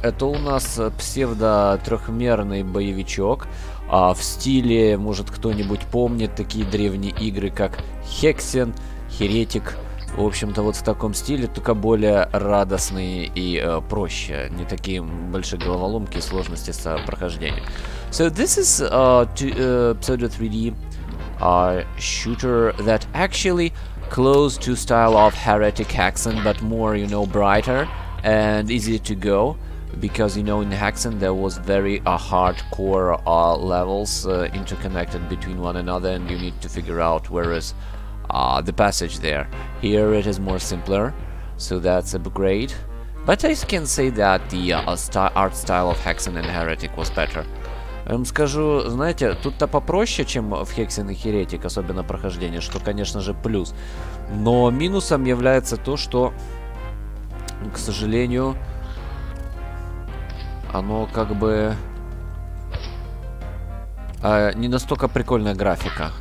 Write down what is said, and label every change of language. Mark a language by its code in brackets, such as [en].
[ru] Это у нас псевдо трехмерный боевичок. В стиле, может, кто-нибудь помнит такие древние игры, как Hexen, Heretic. В общем-то, вот в таком стиле, только более радостный и проще. Не такие большие головоломки и сложности с прохождением. [en] So this is pseudo 3D shooter that actually close to style of Heretic Hexen, but more, you know, brighter and easy to go. Because, you know, in Hexen there was very hardcore levels interconnected between one another, and you need to figure out where is the passage there. Here it is more simpler, so that's upgrade. But I can say that the art style of Hexen and Heretic was better. [ru] Я вам скажу, знаете, тут-то попроще, чем в Hexen и Heretic, особенно прохождение, что, конечно же, плюс. Но минусом является то, что, к сожалению, оно как бы не настолько прикольная графика.